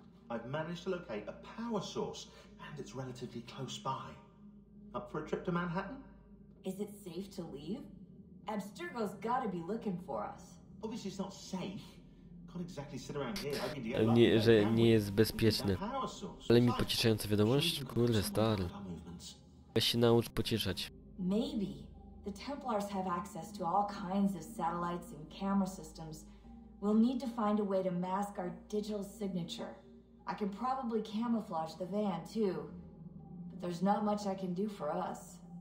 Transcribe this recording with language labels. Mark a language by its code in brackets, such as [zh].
[en] I've managed to locate a power source, and it's relatively close by. Up for a trip to Manhattan? Is it safe to leave? Abstergo's gotta be looking for us. Obviously it's not safe. Can't exactly sit around here. [pl] Nie, że nie jest bezpieczne. Ale mi pocieszająca wiadomość? Kurde, stary. Weź się naucz pocieszać. [en] Maybe. The Templars have access to all kinds of satellites and camera systems. We'll need to find a way to mask our digital signature. I can probably camouflage the van too, but there's not much I can do for us.